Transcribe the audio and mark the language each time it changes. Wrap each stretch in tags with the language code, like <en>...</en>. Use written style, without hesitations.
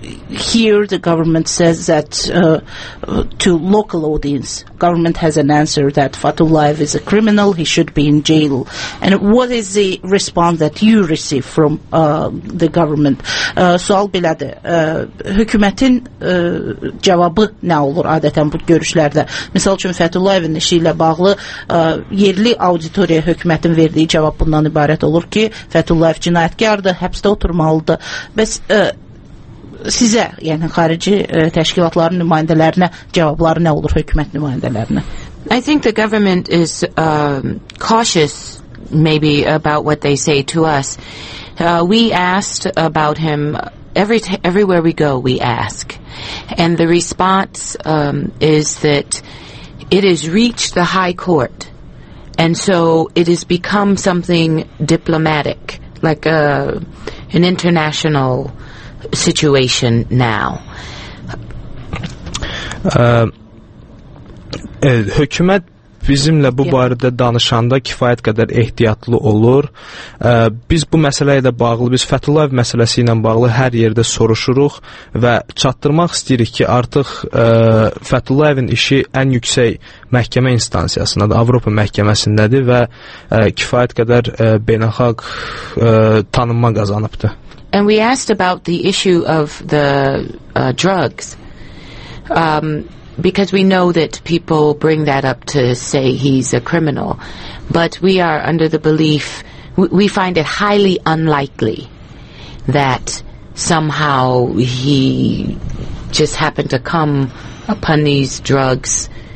<en>Here the government says that to local audience, government has an answer that Fatulaev is a criminal, he should be in jail. And what is the response that you receive from the government?</en> <az>Sual belədir. Hökumətin cavabı nə olur adətən bu görüşlərdə? Məsəl üçün Fatulaevin işi ilə bağlı yerli auditoriya hökumətin verdiyi cavab bundan ibarət olur ki, Fətullayev cinayətkardır, həbsdə oturmalıdır. Bəs sizə, yəni xarici təşkilatların nümayəndələrinə cavabları nə olur hökumət nümayəndələrinə?</az> <en>I think the government is cautious maybe about what they say to us. We asked about him everywhere we go, we ask. And the response is that it has reached the high court, and so it has become something diplomatic, like an international situation now.</en> <az>Hökumət bizimlə bu barədə danışanda kifayət qədər ehtiyatlı olur. Biz bu məsələ ilə bağlı, biz Fətullayev məsələsi ilə bağlı hər yerdə soruşuruq və çatdırmaq istəyirik ki, artıq Fətullayevin işi ən yüksək məhkəmə instansiyasındadır, Avropa məhkəməsindədir və kifayət qədər beynəlxalq tanınma qazanıbdır.</az> <en>And we asked about the issue of the drugs. Because we know that people bring that up to say he's a criminal. But we are under the belief, we find it highly unlikely that somehow he just happened to come upon these drugs.</en>